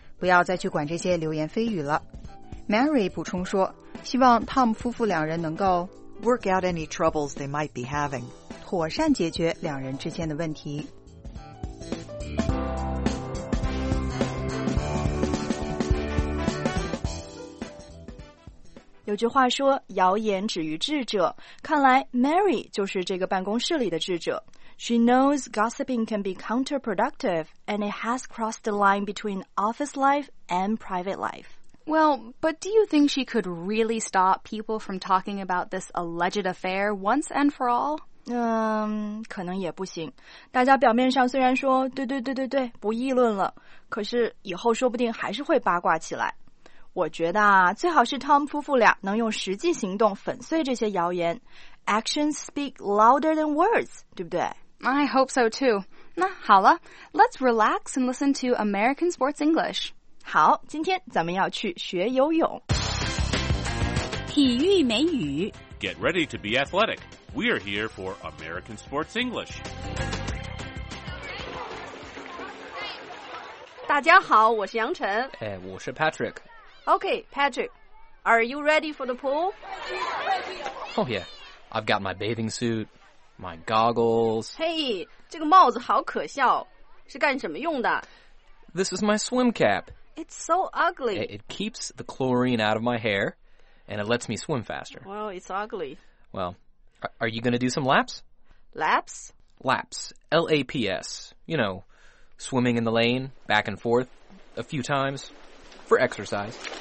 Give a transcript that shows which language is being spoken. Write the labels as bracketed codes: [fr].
[zh] 不要再去管这些流言蜚语了。 Mary 补充说，希望 Tom 夫妇两人能够 [en] work out any troubles they might be having. [zh] 妥善解决两人之间的问题。有句话说，谣言止于智者。看来 Mary 就是这个办公室里的智者。 [en] She knows gossiping can be counterproductive, and it has crossed the line between office life and private life. Well, but do you think she could really stop people from talking about this alleged affair once and for all? [zh] 可能也不行。大家表面上虽然说对对对对对不议论了，可是以后说不定还是会八卦起来。我觉得啊，最好是 Tom 夫妇俩能用实际行动粉碎这些谣言。 [en] Actions speak louder than words, [zh] 对不对？ [en] I hope so too. [zh] 那好了， [en] let's relax and listen to American Sports English. [zh] 好，今天咱们要去学游泳。体育美语。 [en] Get ready to be athletic. We are here for American Sports English. [zh] 大家好，我是杨晨。哎，我是 Patrick. [en] Okay, Patrick, are you ready for the pool? Oh yeah, I've got my bathing suit, my goggles. [zh] Hey, 这个帽子好可笑，是干什么用的？ [en] This is my swim cap. It's so ugly. It keeps the chlorine out of my hair, and it lets me swim faster. Well, it's ugly. Well... Are you going to do some laps? Laps? Laps. L-A-P-S. You know, swimming in the lane, back and forth, a few times, for exercise.